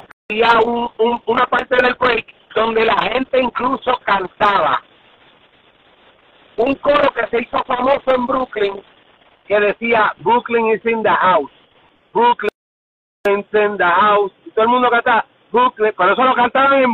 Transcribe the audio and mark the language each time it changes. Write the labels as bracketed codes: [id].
[es] Había una parte del break donde la gente incluso cantaba. Un coro que se hizo famoso en Brooklyn que decía: [en] Brooklyn is in the house. Brooklyn is in the house. [es] Y todo el mundo cantaba: Brooklyn, por eso lo cantaban en